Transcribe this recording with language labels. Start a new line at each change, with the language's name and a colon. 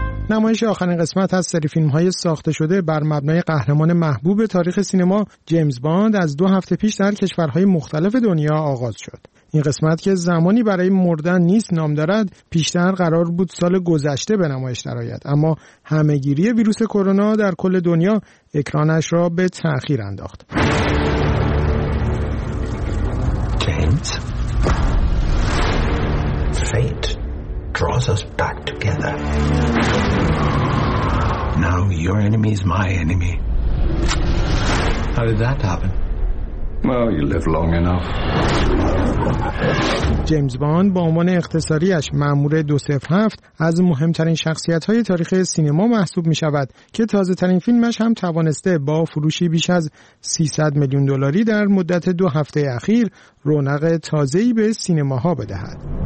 Persian: نمایش آخرین قسمت از سری فیلم‌های ساخته شده بر مبنای قهرمان محبوب تاریخ سینما جیمز باند از دو هفته پیش در کشورهای مختلف دنیا آغاز شد. این قسمت که زمانی برای مردن نیست نام دارد، پیشتر قرار بود سال گذشته به نمایش درآید، اما همه‌گیری ویروس کرونا در کل دنیا اکرانش را به تأخیر انداخت.
English: James, fate draws us back together. Now your enemy is my enemy. How did that happen? Well, you live long enough.
Persian: جیمز باند با عنوان اختصاریش مأمور 007 از مهمترین شخصیت‌های تاریخ سینما محسوب می‌شود که تازه‌ترین فیلمش هم توانسته با فروشی بیش از 300 میلیون دلاری در مدت دو هفته اخیر رونق تازه‌ای به سینماها بدهد.